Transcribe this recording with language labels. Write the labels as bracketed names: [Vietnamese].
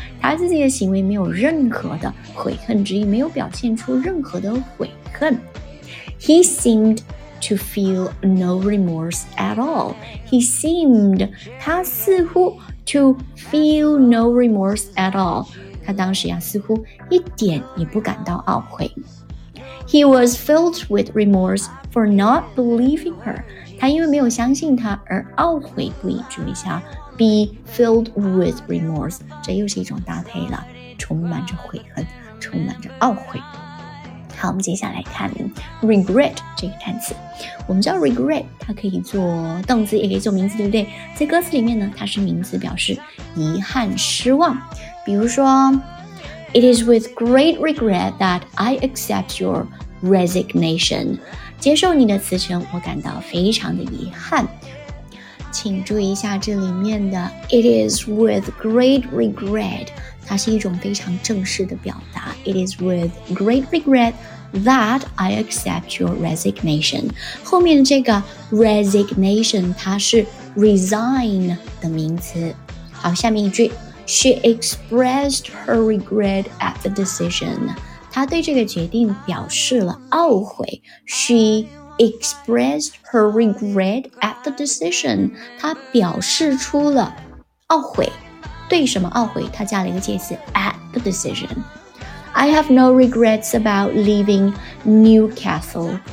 [Chinese] 他自己的行为没有任何的悔恨之意，没有表现出任何的悔恨。 [English] He seemed to feel no remorse at all. He seemed, [Chinese] 他似乎 [English] to feel no remorse at all. [Chinese] 他当时呀似乎一点也不感到懊悔。 [English] He was filled with remorse for not believing her. [Chinese] 他因为没有相信她而懊悔不已。注意一下 [English] be filled with remorse, [Chinese] 这又是一种搭配了，充满着悔恨，充满着懊悔。好，我们接下来看 regret 这个单词。我们知道 regret 它可以做动词，也可以做名词，对不对？在歌词里面呢，它是名词，表示遗憾、失望。比如说 [English] ，It is with great regret that I accept your resignation. [Chinese] 接受你的辞呈，我感到非常的遗憾。请注意一下这里面的 [English] It is with great regret. [Chinese] 它是一种非常正式的表达。 [English] It is with great regret that I accept your resignation. [Chinese] 后面的这个 resignation 它是 resign 的名词。好，下面一句 [English] She expressed her regret at the decision. [Chinese] 她对这个决定表示了懊悔。 [English] She expressed her regret at the decision. [Chinese] 她表示出了懊悔。对什么懊悔？他加了一个介词 [English] at the decision. I have no regrets about leaving Newcastle.